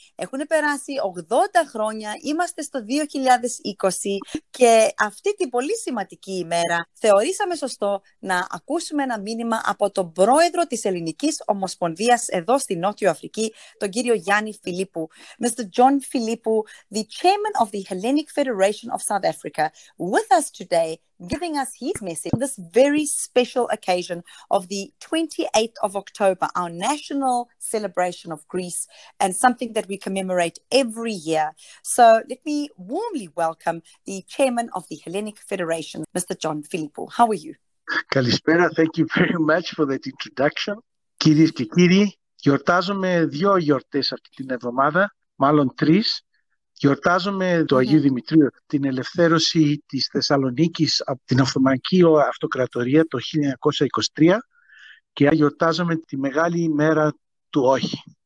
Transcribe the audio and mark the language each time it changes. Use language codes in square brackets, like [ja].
[el] Έχουν περάσει 80 χρόνια, είμαστε στο 2020 και αυτή την πολύ σημαντική ημέρα θεωρήσαμε σωστό να ακούσουμε ένα μήνυμα από τον πρόεδρο της Ελληνικής Ομοσπονδίας εδώ στη Νότιο Αφρική, τον κύριο Γιάννη Φιλίππου. [en] Mr. John Φιλίππου, the chairman of the Hellenic Federation of South Africa, with us today, giving us his message on this very special occasion of the 28th of October, our national celebration of Greece, and something that we commemorate every year. So let me warmly welcome the chairman of the Hellenic Federation, Mr. John Phillipou. How are you? [el] Καλησπέρα, [en] thank you very much for that introduction. [el] Κυρίες και κύριοι, γιορτάζουμε δύο γιορτές αυτή την εβδομάδα, μάλλον τρεις. Γιορτάζουμε το Αγίου Δημητρίου, την ελευθέρωση της Θεσσαλονίκης από την Οθωμανική Αυτοκρατορία το 1923 και γιορτάζουμε τη μεγάλη ημέρα του όχι.